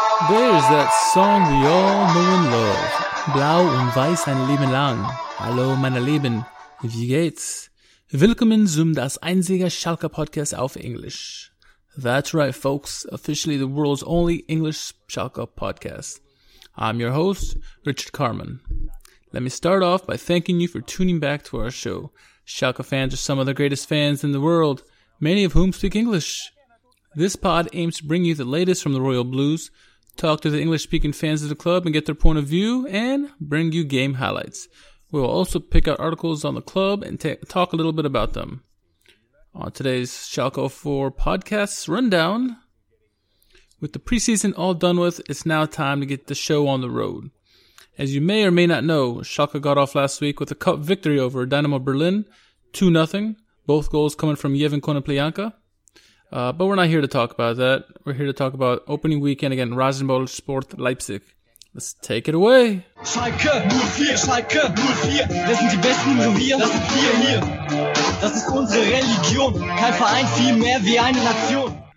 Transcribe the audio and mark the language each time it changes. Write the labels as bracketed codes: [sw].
[en] was that song we all know and love. [de] Blau und Weiß ein Leben lang. Hallo meine Lieben, wie geht's? Willkommen zum Das Einzige Schalke Podcast auf Englisch. [en] That's right folks, officially the world's only English Schalke Podcast. I'm your host, Richard Carman. Let me start off by thanking you for tuning back to our show. Schalke fans are some of the greatest fans in the world, many of whom speak English. This pod aims to bring you the latest from the Royal Blues, talk to the English-speaking fans of the club and get their point of view, and bring you game highlights. We will also pick out articles on the club and talk a little bit about them. On today's Schalke 04 podcast rundown, with the preseason all done with, it's now time to get the show on the road. As you may or may not know, Schalke got off last week with a cup victory over Dynamo Berlin, 2-0, both goals coming from Yevhen Konoplyanka. But we're not here to talk about that. We're here to talk about opening weekend again, Rasenball Sport Leipzig. Let's take it away. Schalke 04, Schalke 04. [de] Wir sind die Besten, nur wir, das sind wir hier. Das ist unsere Religion. Kein Verein, viel mehr wie eine Nation.